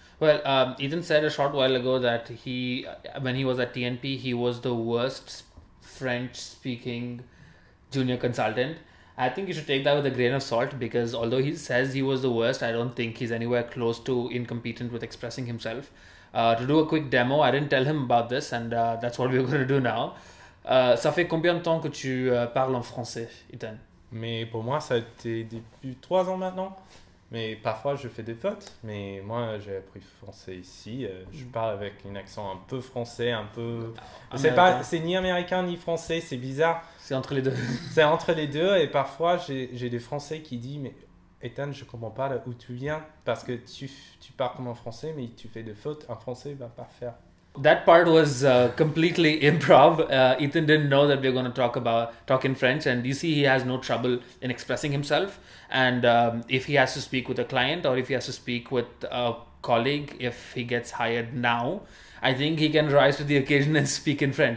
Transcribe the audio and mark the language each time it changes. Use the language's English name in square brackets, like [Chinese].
[English] Well, Ethan said a short while ago that he, when he was at TNP, he was the worst French-speaking junior consultant. I think you should take that with a grain of salt, because although he says he was the worst, I don't think he's anywhere close to incompetent with expressing himself. To do a quick demo, I didn't tell him about this, and that's what we're going to do now. [French] Ça fait combien de temps que tu parles en français, Ethan? Mais pour moi, ça a été depuis 3 ans maintenant. Mais parfois, je fais des fautes. Mais moi, j'ai appris français ici. Je parle avec un accent un peu français, un peu... C'est ni américain ni français, c'est bizarre. C'est entre les deux. C'est entre les deux. Et parfois, j'ai des Français qui disent « Mais Ethan, je ne comprends pas d'où tu viens. Parce que tu parles comme un français, mais tu fais des fautes. Un français ne va pas faire. » [English] That part was completely improv. Ethan didn't know that we were going to talk in French, and you see he has no trouble in expressing himself. And if he has to speak with a client or if he has to speak with a colleague, if he gets hired now, I think he can rise to the occasion and speak in French.